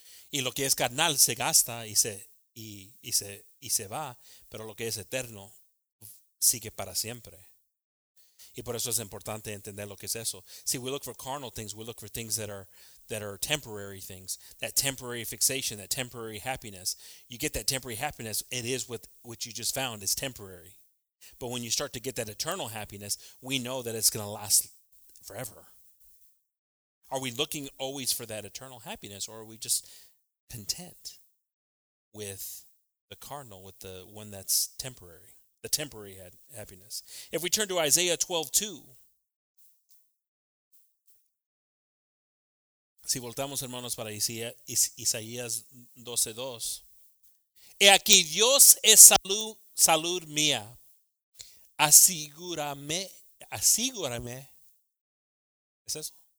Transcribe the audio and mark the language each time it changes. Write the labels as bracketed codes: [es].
[es] Y lo que es carnal se gasta y se va, pero lo que es eterno sigue para siempre. Y por eso es importante entender lo que es eso. [en] See, we look for carnal things, we look for things that are temporary things, that temporary fixation, that temporary happiness. You get that temporary happiness, it is with what you just found, it's temporary. But when you start to get that eternal happiness, we know that it's going to last forever. Are we looking always for that eternal happiness, or are we just content with the carnal, with the one that's temporary, the temporary happiness? If we turn to Isaiah 12:2, [es] si voltamos hermanos para Isaías 12:2, he aquí Dios es salud mía, asegúrame. ¿Es eso?